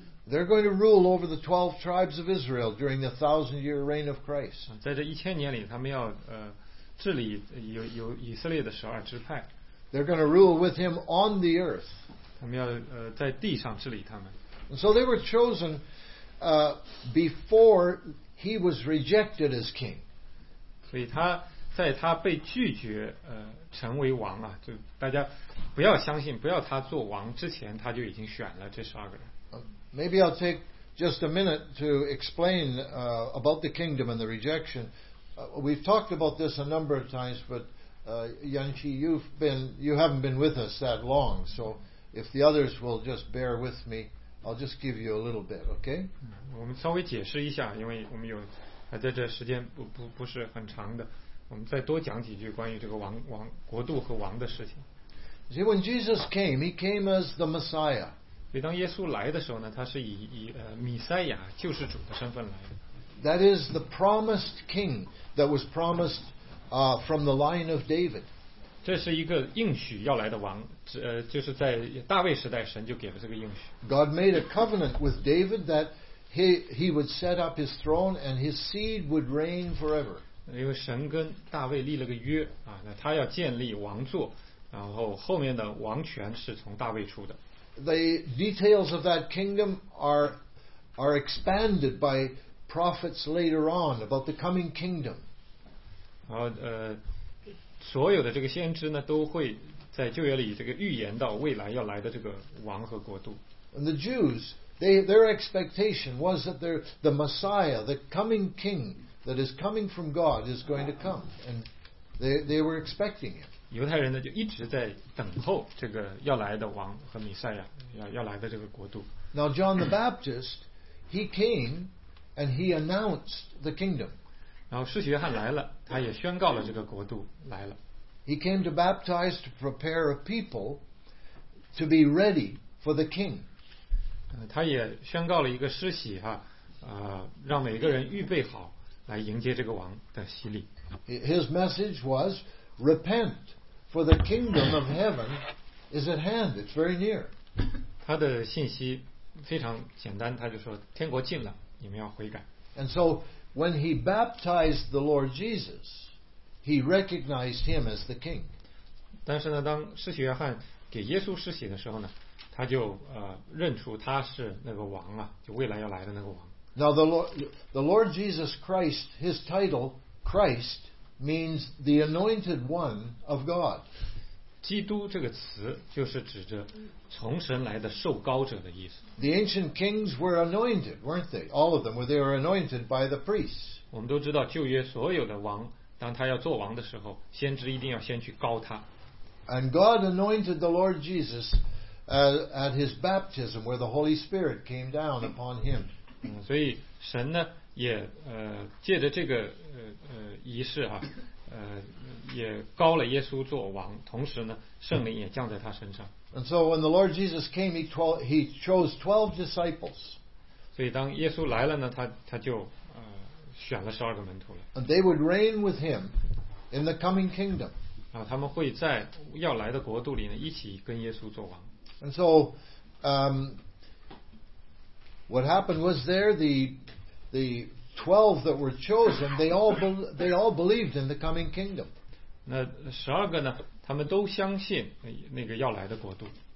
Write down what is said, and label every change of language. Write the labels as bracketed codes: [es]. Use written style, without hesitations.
[en] They're going to rule over the 12 tribes of Israel during the 1,000-year reign of Christ. [zh] 在这一千年里他们要治理有以色列的十二支派。 [en] They're going to rule with him on the earth. [zh] 他们要在地上治理他们。 [en] So they were chosen before he was rejected as king. [zh] 所以他在他被拒绝成为王啊，就大家不要相信，不要他做王之前，他就已经选了这十二个人。 [en] Maybe I'll take just a minute to explain about the kingdom and the rejection. We've talked about this a number of times, but. Yanqi, you haven't been with us that long, so if the others will just bear with me, I'll just give you a little bit, okay? [zh] 我们稍微解释一下，因为我们有在这时间不是很长的，我们再多讲几句关于这个王国度和王的事情。 [en] See, when Jesus came, he came as the Messiah. [zh] 所以当耶稣来的时候呢，他是以弥赛亚救世主的身份来的。 [en] That is the promised king that was promised from the line of David. [zh] 这是一个应许要来的王，就是在大卫时代神就给了这个应许。 [en] God made a covenant with David that he would set up his throne and his seed would reign forever. [zh] 因为神跟大卫立了个约啊，那他要建立王座，然后后面的王权是从大卫出的。 [en] The details of that kingdom are expanded by prophets later on about the coming kingdom. [zh] 然后所有的这个先知呢，都会在旧约里这个预言到未来要来的这个王和国度。 [en] And the Jews, their expectation was that the Messiah, the coming king that is coming from God, is going to come, and they were expecting him. [zh] 犹太人呢就一直在等候这个要来的王和弥赛亚要来的这个国度。 [en] Now John the Baptist, he came and he announced the kingdom. [zh] 然后施洗约翰来了，他也宣告了这个国度来了。 [en] He came to baptize to prepare a people to be ready for the king. [zh] 他也宣告了一个施洗哈，让每个人预备好来迎接这个王的洗礼。 [en] His message was. Repent, for the kingdom of heaven is at hand. It's very near. [zh] 他的信息非常简单，他就说天国近了，你们要悔改。 [en] And so when he baptized the Lord Jesus, he recognized him as the king. [zh] 但是呢，当施洗约翰给耶稣施洗的时候呢，他就认出他是那个王啊，就未来要来的那个王。 [en] Now the Lord Jesus Christ, his title Christ. Means the anointed one of God. [zh] 基督这个词就是指着从神来的受膏者的意思。 [en] The ancient kings were anointed, weren't they? All of them were. They were anointed by the priests. [zh] 我们都知道旧约所有的王，当他要做王的时候，先知一定要先去膏他。 [en] And God anointed the Lord Jesus at his baptism, where the Holy Spirit came down upon him. [zh] 所以神呢？也借着这个仪式哈、啊，也高了耶稣做王，同时呢，圣灵也降在他身上。 [en] And so when the Lord Jesus came, he chose 12 disciples. [zh] 所以当耶稣来了呢，他就选了十二个门徒了。 [en] And they would reign with him in the coming kingdom. [zh] 然后他们会在要来的国度里呢，一起跟耶稣做王。 [en] And so, what happened was there the 12 that were chosen, they all believed in the coming kingdom. [zh] 那十二个呢？他们都相信那个要来的国度。